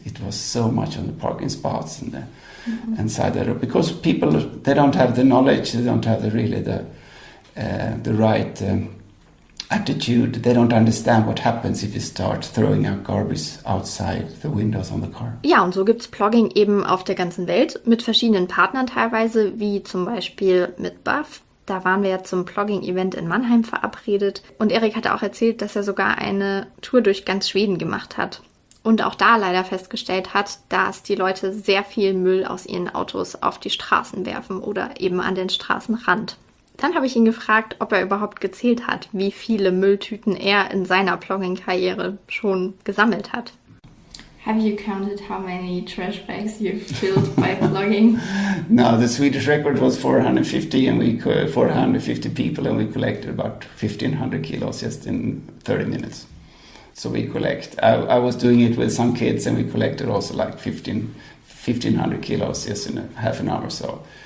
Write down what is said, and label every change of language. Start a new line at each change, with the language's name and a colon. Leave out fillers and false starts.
English: It was so much on the parking spots and the and side of the road. Because people, they don't have the knowledge. They don't have the really the right attitude. They don't understand what happens if you start throwing out garbage outside the windows on the car.
German: Ja, und so gibt's Plogging eben auf der ganzen Welt mit verschiedenen Partnern teilweise, wie zum Beispiel mit Buff. Da waren wir ja zum Plogging-Event in Mannheim verabredet. Und Erik hatte auch erzählt, dass er sogar eine Tour durch ganz Schweden gemacht hat. Und auch da leider festgestellt hat, dass die Leute sehr viel Müll aus ihren Autos auf die Straßen werfen oder eben an den Straßenrand. Dann habe ich ihn gefragt, ob er überhaupt gezählt hat, wie viele Mülltüten er in seiner Plogging-Karriere schon gesammelt hat.
English: Have you counted how many trash bags you've filled by plogging? No, the Swedish record was 450 and we 450 people and we collected about 1500 kilos just in 30 minutes. So we collect, I was doing it with some kids and we collected also like 1500 kilos just in a half an hour or so.